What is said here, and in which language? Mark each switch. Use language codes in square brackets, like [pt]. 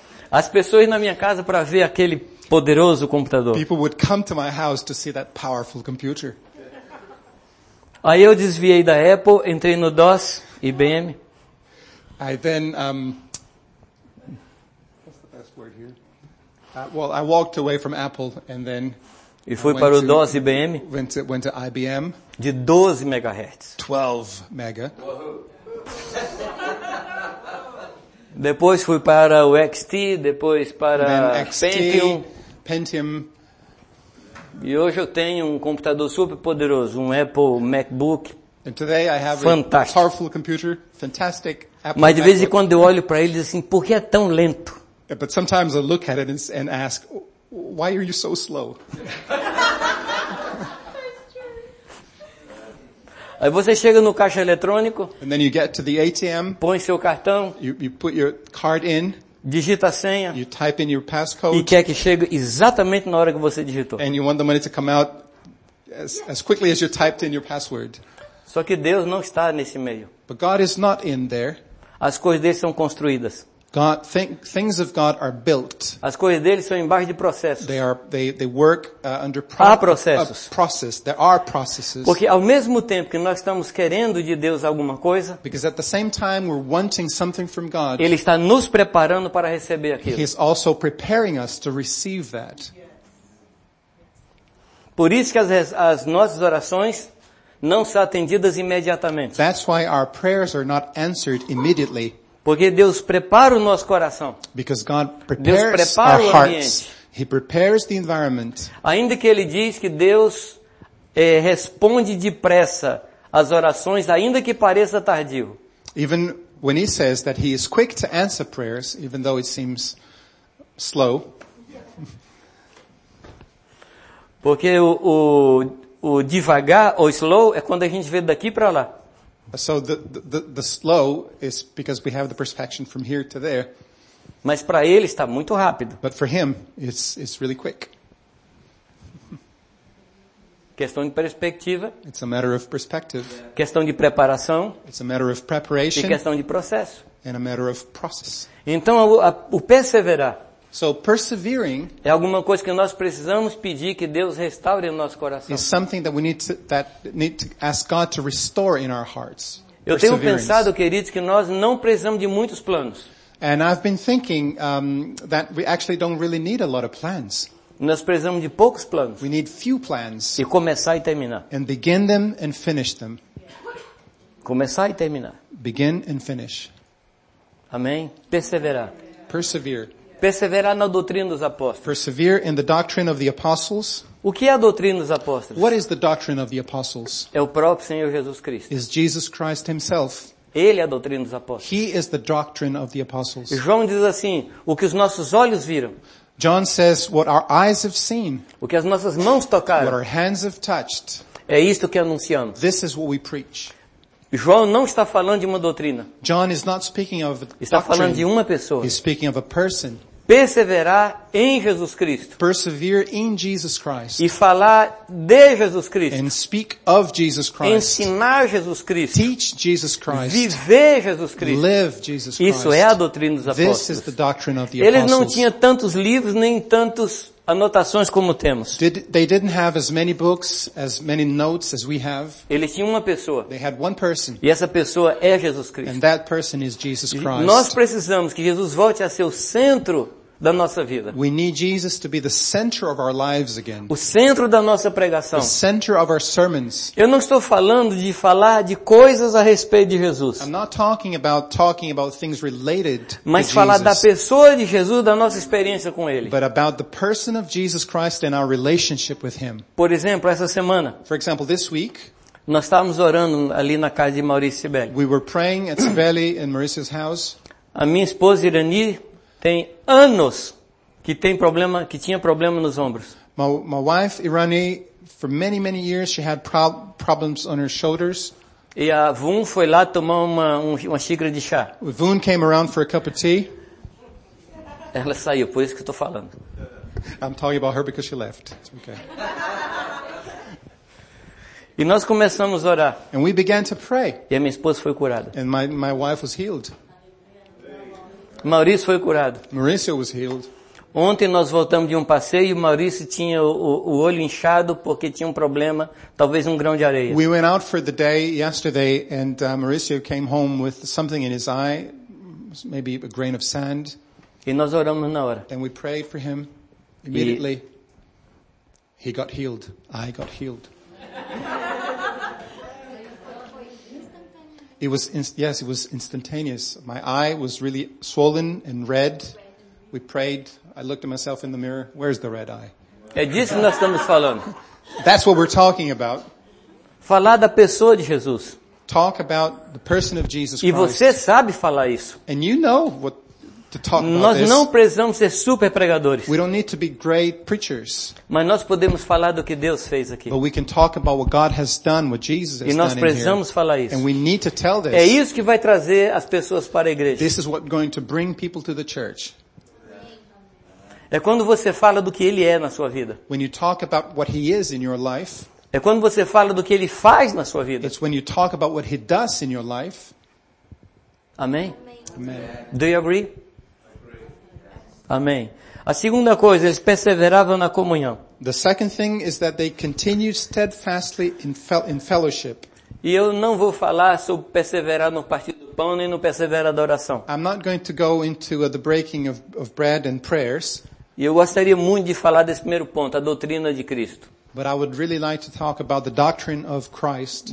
[pt] As pessoas na minha casa para ver aquele poderoso computador. [en] People would come to my house to see that powerful computer. [pt] Aí eu desviei da Apple, entrei no DOS, IBM. [en] I then I walked away from Apple and then [pt] e fui para o DOS IBM. [en] Went to IBM. [pt] De 12 megahertz. [en] 12 mega. [pt] Depois fui para o XT, depois para XT, Pentium. [en] Pentium. [pt] E hoje eu tenho um computador super poderoso, um Apple MacBook. [en] And today I have [pt] fantástico. [en] A powerful computer, fantastic Apple MacBook. [pt] Mas de vez em quando eu olho para ele e digo assim, por que é tão lento? [en] But sometimes I look at it and ask, why are you so slow? [pt] Aí você chega no caixa eletrônico. [en] And then you get to the ATM. [pt] Põe seu cartão. [en] You put your card in. [pt] Digita a senha. [en] You type in your passcode. [pt] E quer que chegue exatamente na hora que você digitou. [en] And you want the money to come out as quickly as you typed in your password. [pt] Só que Deus não está nesse meio. [en] But God is not in there. [pt] As coisas dele são construídas. [en] God, things of God are built. [pt] As coisas dele são embaixo de processos. [en] They work under [pt] processos. [en] Process. There are processes. [pt] Porque ao mesmo tempo que nós estamos querendo de Deus alguma coisa, [en] because at the same time we're wanting something from God, [pt] ele está nos preparando para receber aquilo. [en] He is also preparing us to receive that. [pt] Por isso que as nossas orações não são atendidas imediatamente. [en] That's why our prayers are not answered immediately. [pt] Porque Deus prepara o nosso coração. [en] Because God prepares our hearts. He prepares the environment. [pt] Ainda que ele diz que Deus responde depressa às orações, ainda que pareça tardio. [en] Even when he says that he is quick to answer prayers, even though it seems slow. [pt] Porque o devagar ou slow é quando a gente vê daqui para lá. [en] So the slow is because we have the perspective from here to there. [pt] Mas para ele está muito rápido. [en] But for him, it's really quick. [pt] Questão de perspectiva. [en] It's a matter of perspective. [pt] Questão de preparação. [en] It's a matter of preparation. [pt] E questão de processo. [en] And a matter of process. [pt] Então o perseverar. [en] So persevering [pt] é alguma coisa que nós precisamos pedir que Deus restaure no nosso coração. [en] Is something that we need to ask God to restore in our hearts. [pt] Eu tenho pensado, queridos, que nós não precisamos de muitos planos. [en] And I've been thinking that we actually don't really need a lot of plans. [pt] Nós precisamos de poucos planos. [en] We need few plans. [pt] E começar e terminar. [en] And begin them and finish them. [pt] Começar e terminar. [en] Begin and finish. [pt] Amém. Perseverar. [en] Persevere. [pt] Perseverar na doutrina dos apóstolos. [en] Persevere in the doctrine of the apostles. [pt] O que é a doutrina dos apóstolos? [en] What is the doctrine of the apostles? [pt] É o próprio Senhor Jesus Cristo. [en] Is Jesus Christ himself. [pt] Ele é a doutrina dos apóstolos. [en] He is the doctrine of the apostles. [pt] João diz assim, o que os nossos olhos viram. [en] John says what our eyes have seen. [pt] O que as nossas mãos tocaram. [en] What our hands have touched. [pt] É isto que anunciamos. [en] This is what we preach. [pt] João não está falando de uma doutrina. [en] John is not speaking of [pt] está falando de uma pessoa. [en] He's speaking of a person. [pt] perseverar em Jesus Cristo. [en] Persevere in Jesus Christ. [pt] E falar de Jesus Cristo. [en] And speak of Jesus Christ. [pt] Ensinar Jesus Cristo. [en] Teach Jesus Christ. [pt] Viver Jesus Cristo. [en] Live Jesus Christ. [pt] Isso é a doutrina dos apóstolos. [en] This is the doctrine of the apostles. [pt] Eles não tinham tantos livros nem tantos anotações como temos. [en] They didn't have as many books, as many notes as we have. [pt] Eles tinham uma pessoa. [en] They had one person. [pt] E essa pessoa é Jesus Cristo. [en] And that person is Jesus Christ. [pt] Nós precisamos que Jesus volte a ser o centro da nossa vida. [en] We need Jesus to be the center of our lives again. [pt] O centro da nossa pregação. [en] The center of our sermons. [pt] Eu não estou falando de falar de coisas a respeito de Jesus. [en] I'm not talking about things related to Jesus. [pt] Mas falar da pessoa de Jesus, da nossa experiência com ele. [en] But about the person of Jesus Christ and our relationship with him. [pt] Por exemplo, essa semana. [en] For example, this week. [pt] Nós estávamos orando ali na casa de Maurício Sibeli. [en] We were praying at Sibeli in Maurício's house. [pt] A minha esposa Irani tem anos que tinha problema nos ombros. [en] My wife Irani, for many many years she had problems on her shoulders. [pt] E a Vun foi lá tomar uma xícara de chá. [en] Vun came around for a cup of tea. [pt] Ela saiu, por isso que estou falando. [en] I'm talking about her because she left. It's okay. [pt] E nós começamos a orar. [en] And we began to pray. [pt] E a minha esposa foi curada. [en] And my wife was healed. [pt] Maurício foi curado. [en] Maurício was healed. [pt] Ontem nós voltamos de um passeio e Maurício tinha o olho inchado porque tinha um problema, talvez um grão de areia. [en] We went out for the day yesterday and Maurício came home with something in his eye, maybe a grain of sand. [pt] E nós oramos na hora. [en] And we prayed for him immediately. He got healed. I got healed. It was instantaneous. My eye was really swollen and red. We prayed. I looked at myself in the mirror. Where's the red eye? [pt] É disso que nós estamos falando. [en] That's what we're talking about. [pt] Falar da pessoa de Jesus. [en] Talk about the person of Jesus Christ. [pt] E você sabe falar isso. [en] And you know what to talk about. [pt] Nós não precisamos ser super pregadores. [en] We don't need to be great preachers. [pt] Mas nós podemos falar do que Deus fez aqui. [en] But we can talk about what God has done, what Jesus has done. [pt] E nós precisamos falar isso. [en] And we need to tell this. [pt] É isso que vai trazer as pessoas para a igreja. [en] This is what's going to bring people to the church. [pt] É quando você fala do que ele é na sua vida. [en] When you talk about what he is in your life. [pt] É quando você fala do que ele faz na sua vida. [en] It's when you talk about what he does in your life. [pt] Amém. [en] Amém. Do you agree? Amém. [pt] A segunda coisa, eles perseveravam na comunhão. [en] The second thing is that they continued steadfastly in fellowship. [pt] E eu não vou falar sobre perseverar no partido do pão nem no perseverar da oração. [en] I'm not going to go into the breaking of bread and prayers. [pt] E eu gostaria muito de falar desse primeiro ponto, a doutrina de Cristo. [en] But I would really like to talk about the doctrine of Christ.